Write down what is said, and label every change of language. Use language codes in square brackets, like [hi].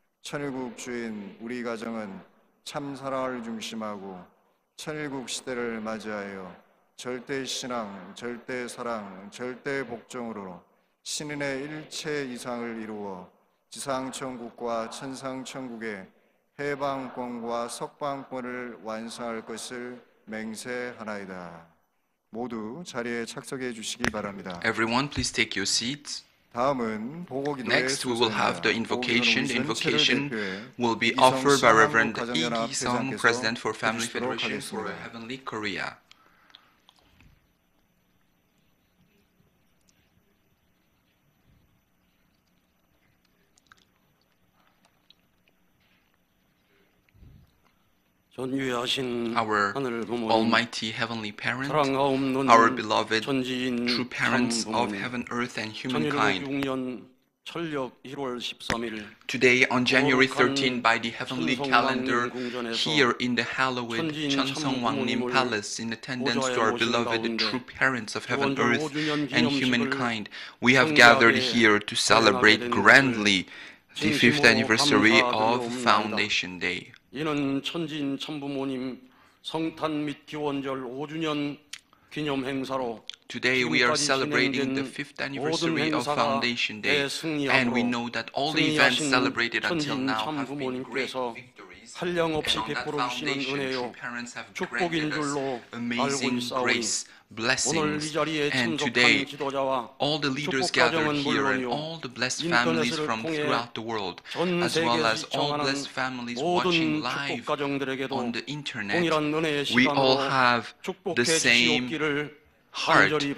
[ko] 천일국 주인, 우리 가정은 참 사랑을 중심하고 천일국 시대를 맞이하여 절대 신앙, 절대 사랑, 절대 복종으로 신인의 일체 이상을 이루어 지상천국과 천상천국의 해방권과 석방권을 완성할 것을 맹세하나이다. 모두 자리에 착석해 주시기 바랍니다. [en] Everyone, please take your seats. [ko] 다음은 보고 기도의 [en] Next, we will have the invocation. The invocation will be offered by Reverend Lee Ki-sung, President for Family Federation for Heavenly Korea. [ko] 전유하신 [en] our [ko] 하늘 부모님, [en] almighty heavenly parent, our beloved true parents [ko] 부모님, [en] of heaven, earth, and humankind. [ko] 2006년 천력 1월 13일, [en] Today, on January 13, by the heavenly calendar, here in the hallowed Chunsong Wangnim Palace, in attendance to our beloved true parents of heaven, earth, and humankind, we have gathered here to celebrate grandly the 5th anniversary of Foundation Day. [ko] 이는 천지인 천부모님 성탄 및 기원절 5주년 기념 행사로 [en] Today we are celebrating the 5th anniversary of Foundation Day and we know that all the events celebrated until now have been great victories [ko] 한량 없이 베풀어 주시는 은혜요 축복인 줄로 알고 있사오니 [en] Blessings. And today, all the leaders gathered here and all the blessed families from throughout the world, as well as all blessed families watching live on the internet, we all have the same heart.